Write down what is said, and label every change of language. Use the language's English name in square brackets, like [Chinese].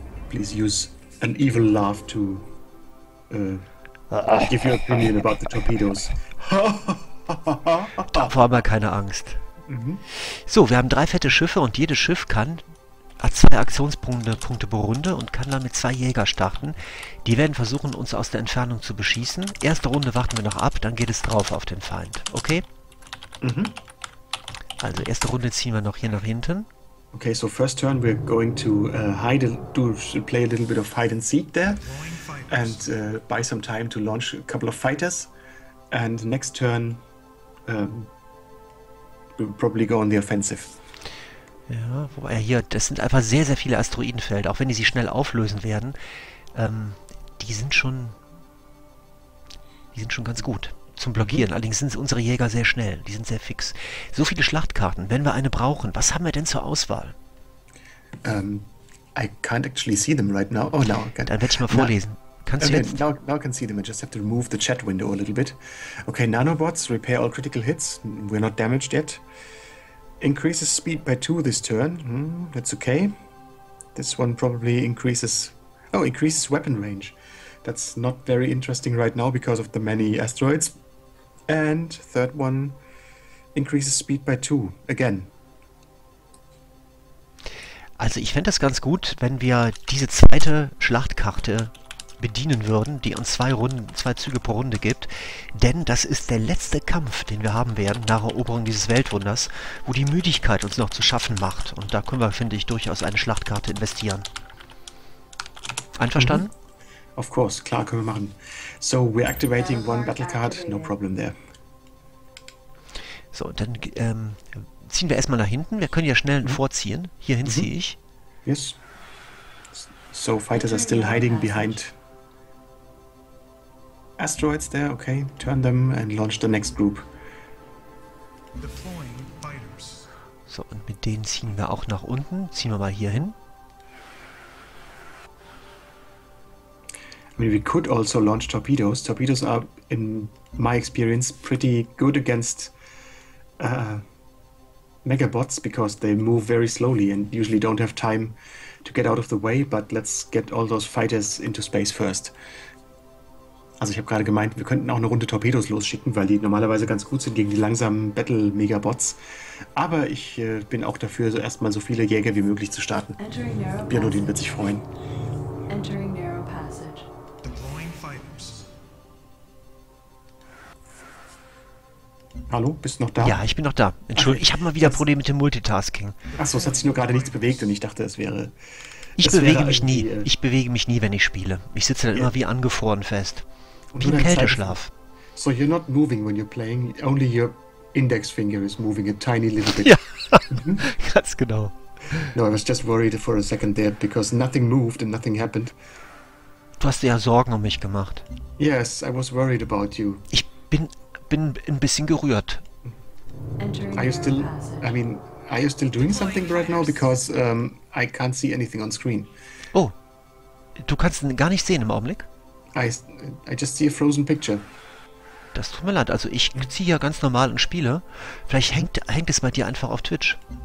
[English] Please use an evil laugh to give your opinion about the torpedoes. [German] Davor haben wir keine Angst. So, wir haben drei fette Schiffe und jedes Schiff hat zwei Aktionspunkte pro Runde und kann damit zwei Jäger starten. Die werden versuchen, uns aus der Entfernung zu beschießen. Erste Runde warten wir noch ab, dann geht es drauf auf den Feind. Okay? Also, erste Runde ziehen wir noch hier nach hinten. [English] Okay, so first turn we're going to hide, do play a little bit of hide and seek there and buy some time to launch a couple of fighters. And next turn we'll probably go on the offensive. [German] Ja, wobei hier, das sind einfach sehr, sehr viele Asteroidenfelder, auch wenn die sich schnell auflösen werden. Die sind schon ganz gut zum Blockieren. Allerdings sind unsere Jäger sehr schnell, die sind sehr fix. So viele Schlachtkarten, wenn wir eine brauchen, was haben wir denn zur Auswahl? [English] I can't actually see them right now. Oh, now I can. [German] Dann werde ich mal vorlesen. Kannst du [English] Okay, [German] jetzt? [English] now I can see them. I just have to remove the chat window a little bit. Okay, nanobots, repair all critical hits. We're not damaged yet. Increases speed by two this turn. That's okay. This one probably increases. Oh, increases weapon range. That's not very interesting right now because of the many asteroids. And third one increases speed by two again. [German] Also ich fände das ganz gut, wenn wir diese zweite Schlachtkarte bedienen würden, die uns zwei Züge pro Runde gibt. Denn das ist der letzte Kampf, den wir haben werden nach Eroberung dieses Weltwunders, wo die Müdigkeit uns noch zu schaffen macht. Und da können wir, finde ich, durchaus eine Schlachtkarte investieren. Einverstanden? Mm-hmm. [English] Of course, [German] klar, können wir machen. [English] So, we're activating one battle card, no problem there. [German] So, dann ziehen wir erstmal nach hinten. Wir können ja schnell vorziehen. Hierhin ziehe ich. [English] Yes. So, fighters are still hiding behind asteroids there, okay. Turn them and launch the next group. Deploying fighters. [German] So, und mit denen ziehen wir auch nach unten. Ziehen wir mal hier hin. [English] I mean, we could also launch torpedoes. Torpedoes are, in my experience, pretty good against megabots because they move very slowly and usually don't have time to get out of the way, but let's get all those fighters into space first. [German] Also ich habe gerade gemeint, wir könnten auch eine Runde Torpedos losschicken, weil die normalerweise ganz gut sind gegen die langsamen Battle-Megabots. Aber ich bin auch dafür, so erstmal so viele Jäger wie möglich zu starten. Bjornodin wird sich freuen. [English] Entering narrow passage. Deploying fighters. [German] Hallo, bist du noch da? Ja, ich bin noch da. Entschuldigung, ich habe mal wieder Probleme mit dem Multitasking. Achso, es hat sich nur gerade nichts bewegt und ich dachte, es wäre... Ich bewege mich nie, wenn ich spiele. Ich sitze dann immer wie angefroren fest. Wie ein Kälteschlaf. [English] So you're not moving when you're playing, only your index finger is moving a tiny little bit. [German] Ja, ganz genau. [English] No, I was just worried for a second there, because nothing moved and nothing happened. [German] Du hast dir ja Sorgen um mich gemacht. [English] Yes, I was worried about you. [German] Ich bin ein bisschen gerührt. [English] Are you still doing something right now, because I can't see anything on screen. [German] Oh, du kannst gar nicht sehen im Augenblick? [English] I just see a frozen picture. [German] Das tut mir leid. Also ich ziehe ja ganz normal und spiele. Vielleicht hängt es bei dir einfach auf Twitch.